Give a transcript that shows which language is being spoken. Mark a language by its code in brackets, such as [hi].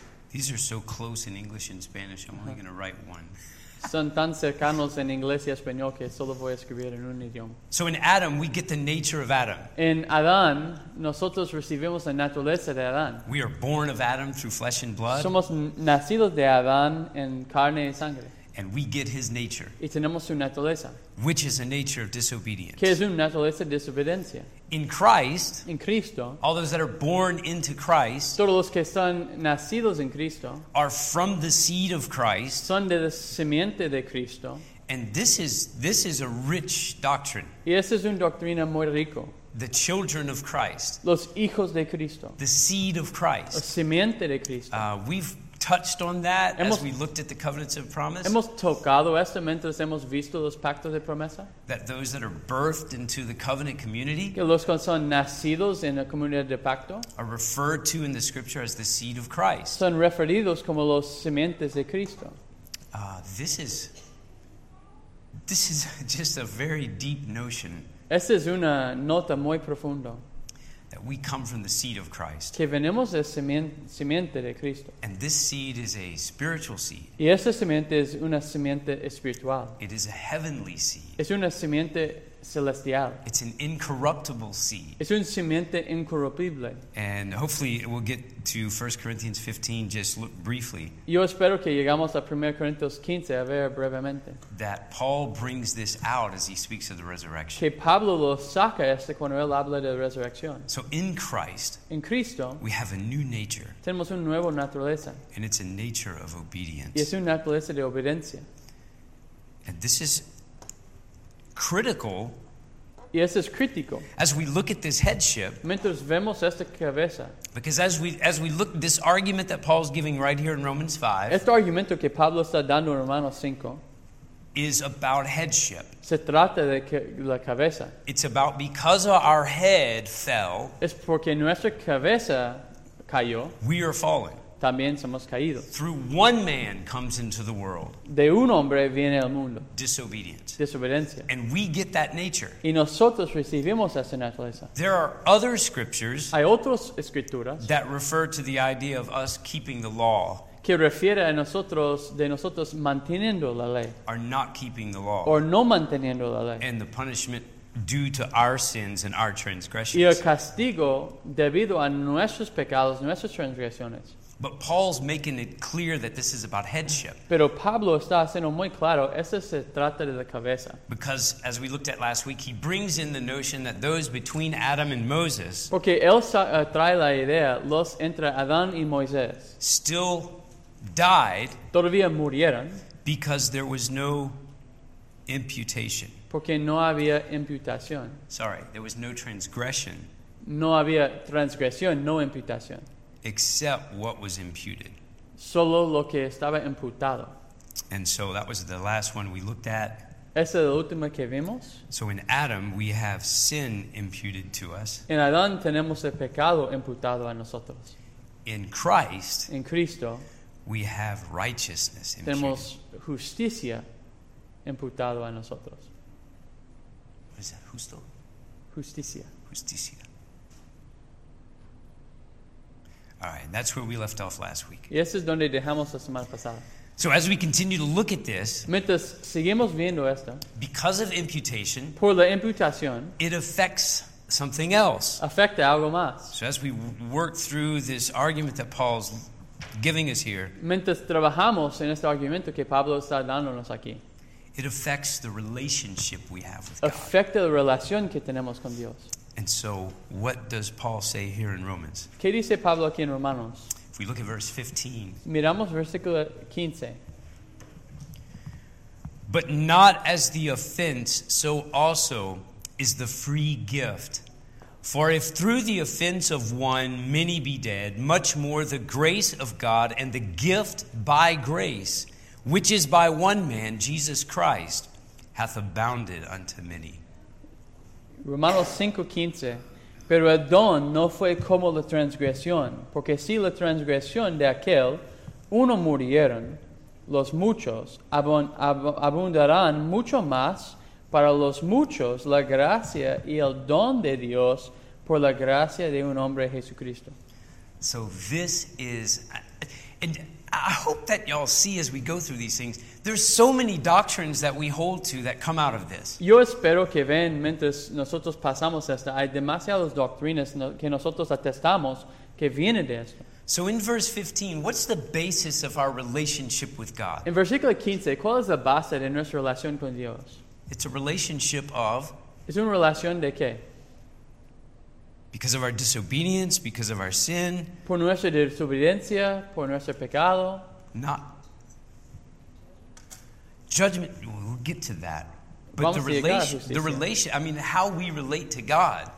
[en] These are so close in English and Spanish, I'm only going to write one. [es] Son tan cercanos en inglés y español que solo voy a escribir en un idioma. [en] So in Adam, we get the nature of Adam. [es] En Adán, nosotros recibimos la naturaleza de Adán. [en] We are born of Adam through flesh and blood. [es] Somos nacidos de Adán en carne y sangre. [en] And we get his nature. [es] Y tenemos su naturaleza. [en] Which is a nature of disobedience. [es] Que es una naturaleza de desobediencia. [en] In Christ, [es] en Cristo, [en] all those that are born into Christ, [es] todos los que están nacidos en Cristo, [en] are from the seed of Christ, [es] son de la simiente de Cristo, [en] and this is a rich doctrine. [es] Y esa es una doctrina muy rico. [en] The children of Christ, [es] los hijos de Cristo, [en] the seed of Christ, [es] la simiente de Cristo. [en] We've touched on that as we looked at the covenants of promise. [es] Hemos tocado esto mientras hemos visto los pactos de promesa. [en] That those that are birthed into the covenant community, [es] que los que son nacidos en la comunidad de pacto, [en] are referred to in the scripture as the seed of Christ. [es] Son referidos como los simientes de Cristo. [en] This is just a very deep notion. [es] Esta es una nota muy profunda. [en] That we come from the seed of Christ. [es] Que venimos de simiente de Cristo. [en] And this seed is a spiritual seed. [es] Y esta simiente es una simiente espiritual. [en] It is a heavenly seed. [es] Es una simiente celestial. [en] It's an incorruptible seed. [es] Es una simiente incorruptible. [en] And hopefully we'll get to 1 Corinthians 15, just look briefly. [es] Yo espero que llegamos a 1 Corintios 15, a ver brevemente. [en] That Paul brings this out as he speaks of the resurrection. [es] Que Pablo lo saca este cuando él habla de la resurrección. [en] So in Christ, [es] en Cristo, [en] we have a new nature. [es] Tenemos una nueva naturaleza. [en] And it's a nature of obedience. [es] Y es una naturaleza de obediencia. [en] And this is critical. [es] Y eso es crítico. [en] As we look at this headship, [es] mientras vemos esta cabeza, [en] because as we look at this argument that Paul's giving right here in Romans 5, [es] este argumento que Pablo está dando en Romanos 5, [en] is about headship. [es] Se trata de la cabeza. [en] It's about because our head fell. [es] Es porque nuestra cabeza cayó. [en] We are fallen. [es] También somos caídos. [en] Through one man comes into the world. [es] De un hombre viene al mundo. [en] Disobedience. [es] Desobediencia. [en] And we get that nature. [es] Y nosotros recibimos esa naturaleza. [en] There are other scriptures. [es] Hay otras escrituras. [en] That refer to the idea of us keeping the law. [es] Que refiere a nosotros, de nosotros manteniendo la ley. [en] Are not keeping the law. [es] O no manteniendo la ley. [en] And the punishment due to our sins and our transgressions. [es] Y el castigo debido a nuestros pecados, nuestras transgresiones. [en] But Paul's making it clear that this is about headship. [es] Pero Pablo está haciendo muy claro, eso se trata de la cabeza. [en] Because, as we looked at last week, he brings in the notion that those between Adam and Moses. [es] Porque él trae la idea, los entre Adán y Moisés. [en] Still died. [es] Todavía murieron. [en] Because there was no imputation. [es] Porque no había imputación. [en] Sorry, there was no transgression. [es] No había transgresión, no imputación. [en] Except what was imputed. [es] Solo lo que estaba imputado. [en] And so that was the last one we looked at. [es] Esa es la última que vimos. [en] So in Adam we have sin imputed to us. [es] En Adán tenemos el pecado imputado a nosotros. [en] In Christ. [es] En Cristo. [en] We have righteousness imputed. [es] Tenemos justicia imputado a nosotros. [en] What is that? [es] Justo. Justicia. Justicia. [en] All right, and that's where we left off last week. [es] Y eso es donde dejamos la semana pasada. [en] So as we continue to look at this, [es] mientras seguimos viendo esto, [en] because of imputation, [es] por la imputación, [en] it affects something else. [es] Afecta algo más. [en] So as we work through this argument that Paul's giving us here, [es] mientras trabajamos en este argumento que Pablo está dándonos aquí, [en] it affects the relationship we have with [es] afecta [en] God. [es] La relación que tenemos con Dios. [en] And so, what does Paul say here in Romans? [es] ¿Qué dice Pablo aquí en Romanos? [en] If we look at verse 15. [es] Miramos versículo 15. [en] But not as the offense, so also is the free gift. For if through the offense of one many be dead, much more the grace of God and the gift by grace, which is by one man, Jesus Christ, hath abounded unto many. [es] Romanos 5:15, pero el don no fue como la transgresión, porque si la transgresión de aquel, uno murieron, los muchos abundarán mucho más para los muchos la gracia y el don de Dios por la gracia de un hombre Jesucristo. [en] So this is, and I hope that y'all see as we go through these things, there's so many doctrines that we hold to that come out of this. [es] Yo espero que ven mientras nosotros pasamos esto. Hay demasiadas doctrinas que nosotros atestamos que vienen de esto. [en] So in verse 15, what's the basis of our relationship with God? [es] En versículo 15, ¿cuál es la base de nuestra relación con Dios? [en] It's a relationship of. [es] Es una relación de qué? [en] Because of our disobedience, because of our sin. [es] Por nuestra desobediencia, por nuestro pecado. [en] Not. Judgment, we'll get to that. But [es] vamos [en] the relation, I mean, how we relate to God.